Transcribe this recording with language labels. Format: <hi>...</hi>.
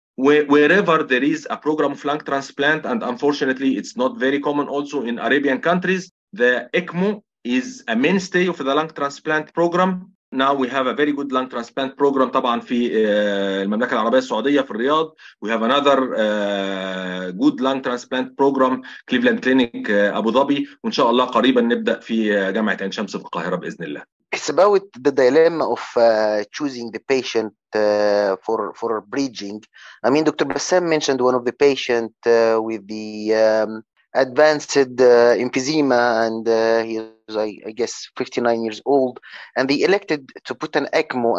<en>Wherever there is a program of lung transplant, and unfortunately, it's not very common also in Arabian countries, the ECMO is a mainstay of the lung transplant program. Now we have a very good lung transplant program</en> <ar>طبعاً في المملكة العربية السعودية في الرياض.</ar> <en>We have another good lung transplant program, Cleveland Clinic, Abu Dhabi.</en> <ar>وإن شاء الله قريباً نبدأ في جامعة عين شمس في القاهرة بإذن الله.</ar> <en>It's about the dilemma of choosing the patient for bridging. I mean, Dr. Bassam mentioned one of the patient with the advanced emphysema, and he is, I guess, 59 years old, and they elected to put an ECMO.</en>